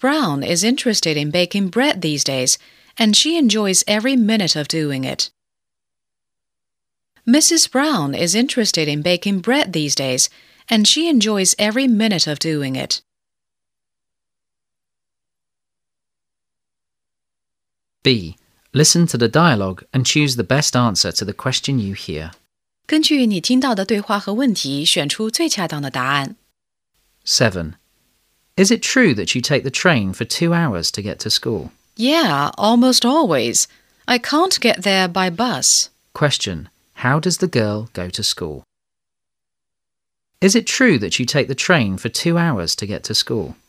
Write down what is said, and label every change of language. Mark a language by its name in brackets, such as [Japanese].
[English] Brown is interested in baking bread these days, and she enjoys every minute of doing it. Mrs. Brown is interested in baking bread these days, and she enjoys every minute of doing it. 5. Listen to the dialogue and choose the best answer to the question you hear. [Chinese] 根据你听到的对话和问题，选出最恰当的答案。 [English] 7. Is it true that you take the train for 2 hours to get to school? Yeah, almost always. I can't get there by bus. Question. How does the girl go to school? Is it true that you take the train for 2 hours to get to school?